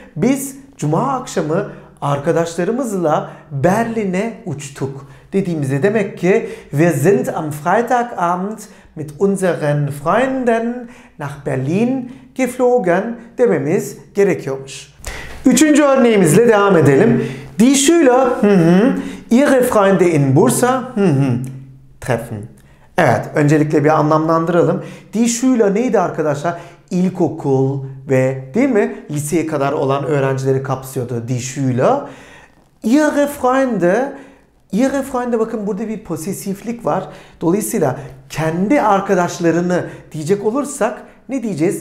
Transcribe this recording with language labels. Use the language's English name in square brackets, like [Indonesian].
[Turkish] Biz cuma akşamı arkadaşlarımızla Berlin'e uçtuk dediğimizde demek ki [German] wir sind am Freitagabend mit unseren Freunden nach Berlin geflogen [Turkish] dememiz gerekiyormuş. Üçüncü örneğimizle devam edelim. [German] Die Schüler ihre Freunde in Bursa treffen. [Turkish] Evet, öncelikle bir anlamlandıralım. Die Schüler neydi arkadaşlar? İlkokul ve değil mi? Liseye kadar olan öğrencileri kapsıyordu. Die Schüler. Ihre Freunde, bakın burada bir posesiflik var. Dolayısıyla kendi arkadaşlarını diyecek olursak ne diyeceğiz?